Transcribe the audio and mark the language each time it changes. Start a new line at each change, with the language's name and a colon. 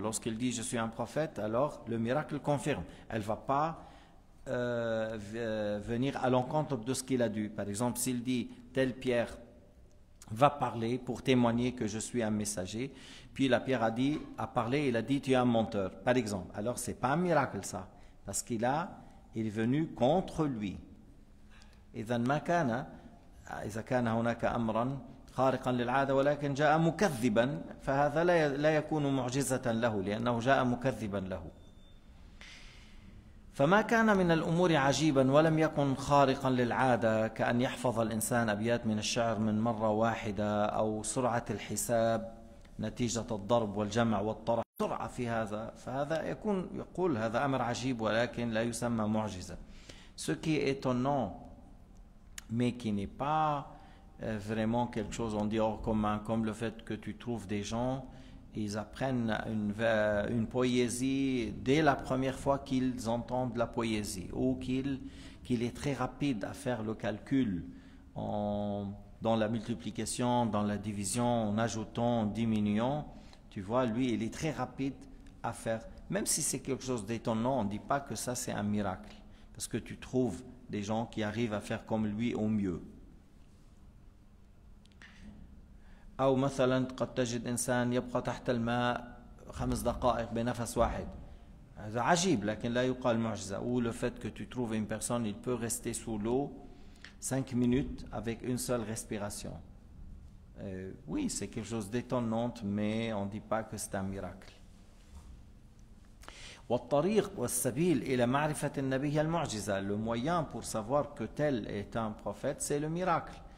French: Lorsqu'il dit je suis un prophète, alors le miracle confirme. Elle ne va pas venir à l'encontre de ce qu'il a dit. Par exemple, s'il dit telle pierre va parler pour témoigner que je suis un messager, puis la pierre a parlé, il a dit tu es un menteur, par exemple. Alors ce n'est pas un miracle ça, parce qu'il a il est venu contre lui.
Arabic: إذن ما كان إذا كان هناك أمرا خارقا للعادة ولكن جاء مكذبا فهذا لا يكون معجزة له لأنه جاء مكذبا له. فما كان من الأمور عجيبا ولم يكن خارقا للعادة كأن يحفظ الإنسان أبيات من الشعر من مرة واحدة أو سرعة الحساب نتيجة الضرب والجمع والطرح سرعة في هذا فهذا يكون يقول هذا أمر عجيب ولكن لا يسمى معجزة.
French: Ce qui est étonnant mais qui n'est pas vraiment quelque chose on dit hors commun, comme le fait que tu trouves des gens, ils apprennent une poésie dès la première fois qu'ils entendent la poésie ou qu'il est très rapide à faire le calcul dans la multiplication, dans la division, en ajoutant, en diminuant. Tu vois, lui, il est très rapide à faire. Même si c'est quelque chose d'étonnant, on ne dit pas que ça c'est un miracle parce que tu trouves des gens qui arrivent à faire comme lui au mieux.
Arabic: أو مثلا قد تجد إنسان يبقى تحت الماء خمس دقائق بنفس واحد هذا عجيب لكن لا يقال معجزة. أو
French: le fait que tu trouves une personne il peut rester sous l'eau 5 minutes avec une seule respiration. Oui, c'est quelque chose d'étonnant mais on ne dit pas que c'est un miracle.
Arabic: والطريق والسبيل إلى معرفة النبي هي المعجزة.
French: Le moyen pour savoir que tel est un prophète c'est le miracle.